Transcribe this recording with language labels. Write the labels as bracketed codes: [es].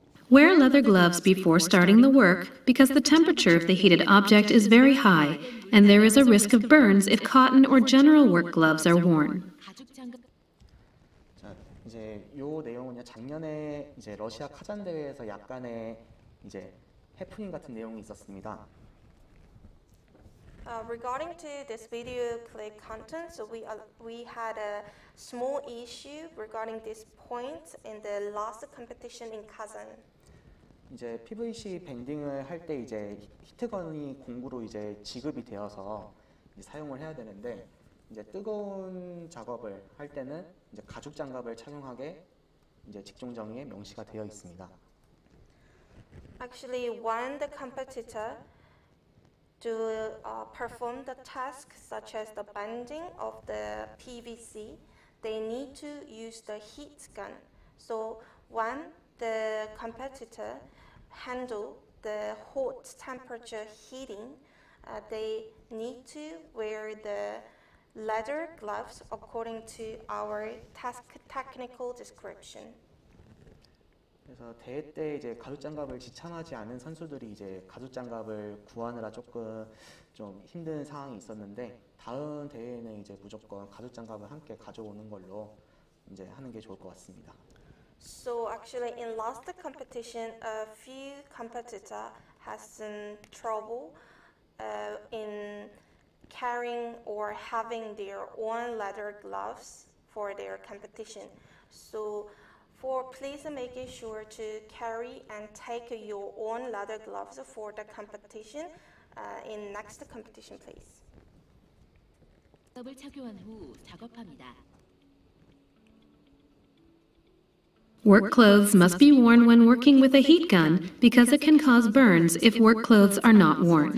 [en] Wear leather gloves before starting the work because the temperature of the heated object is very high and there is a risk of burns if cotton or general work gloves are worn. [ko] 자, 이제 요 내용은 작년에 이제 러시아 카잔 대회에서 약간의 이제 해프닝 같은 내용이 있었습니다. [en] Regarding to this video clip content, so we had a small issue regarding this point in the last competition in Kazan. [ko] 이제 PVC 밴딩을 할 때 이제 히트건이 공구로 이제 지급이 되어서 이제 사용을 해야 되는데 이제 뜨거운 작업을 할 때는 이제 가죽 장갑을 착용하게 이제 직종 정의에 명시가 되어 있습니다. [en] Actually, when the competitor to perform the task such as the bending of the PVC, they need to use the heat gun. So when the competitor handle the hot temperature heating, they need to wear the leather gloves according to our task technical description. [ko] 그래서 대회 때 이제 가죽장갑을 지참하지 않은 선수들이 이제 가죽장갑을 구하느라 조금 좀 힘든 상황이 있었는데, 다음 대회에는 이제 무조건 가죽장갑을 함께 가져오는 걸로 이제 하는 게 좋을 것 같습니다. [en] So actually, in last competition, a few competitor has some trouble in carrying or having their own leather gloves for their competition. So, please make sure to carry and take your own leather gloves for the competition in next competition, please. [ko] 을 착용한 후 작업합니다. [en] Work clothes must be worn when working with a heat gun because it can cause burns if work clothes are not worn.